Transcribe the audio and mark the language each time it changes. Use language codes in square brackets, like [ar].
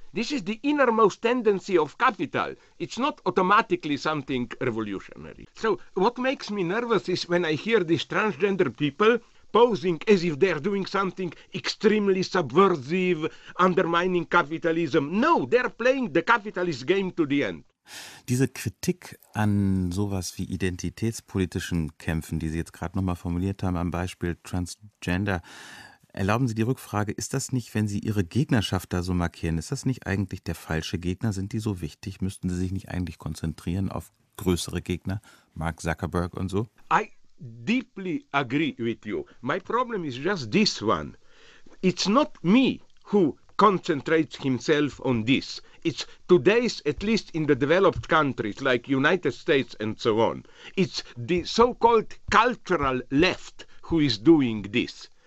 [en] This is the innermost tendency of capital. It's not automatically something revolutionary. So what makes me nervous is when I hear these transgender people posing as if they're doing something extremely subversive, undermining capitalism. No, they're playing the capitalist game to the end. [de] Diese Kritik an sowas wie identitätspolitischen Kämpfen, die Sie jetzt gerade nochmal formuliert haben, am Beispiel Transgender, erlauben Sie die Rückfrage, ist das nicht, wenn Sie Ihre Gegnerschaft da so markieren, ist das nicht eigentlich der falsche Gegner? Sind die so wichtig? Müssten Sie sich nicht eigentlich konzentrieren auf größere Gegner, Mark Zuckerberg und so? [en] I deeply agree with you. My problem is just this one. It's not me who concentrates himself on this. It's today's, at least in the developed countries like United States and so on, it's the so-called cultural left who is doing this.